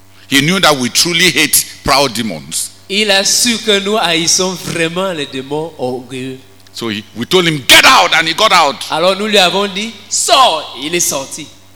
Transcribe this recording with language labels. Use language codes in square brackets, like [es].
[en] He knew that we truly hate proud demons. [fr] Il a su que nous haïssons vraiment les démons orgueilleux. [en] So we told him get out and he got out. [fr] Alors nous lui avons dit sors, il est sorti.